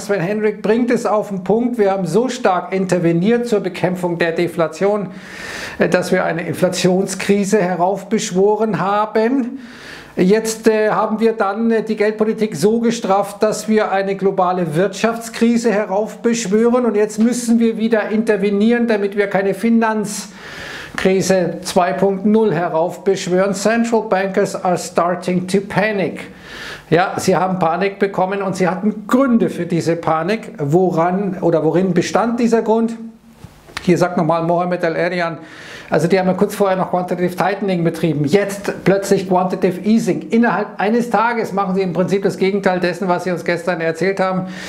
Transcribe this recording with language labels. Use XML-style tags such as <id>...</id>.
<de>Sven Henrik bringt es auf den Punkt. Wir haben so stark interveniert zur Bekämpfung der Deflation, dass wir eine Inflationskrise heraufbeschworen haben. Jetzt haben wir dann die Geldpolitik so gestraft, dass wir eine globale Wirtschaftskrise heraufbeschwören. Und jetzt müssen wir wieder intervenieren, damit wir keine Finanzkrise 2.0 heraufbeschwören.</de> <en>Central bankers are starting to panic.</en> <de>Ja, sie haben Panik bekommen und sie hatten Gründe für diese Panik. Woran oder worin bestand dieser Grund? Hier sagt nochmal Mohamed El-Erian, also die haben ja kurz vorher noch Quantitative Tightening betrieben, jetzt plötzlich Quantitative Easing. Innerhalb eines Tages machen sie im Prinzip das Gegenteil dessen, was sie uns gestern erzählt haben.</de>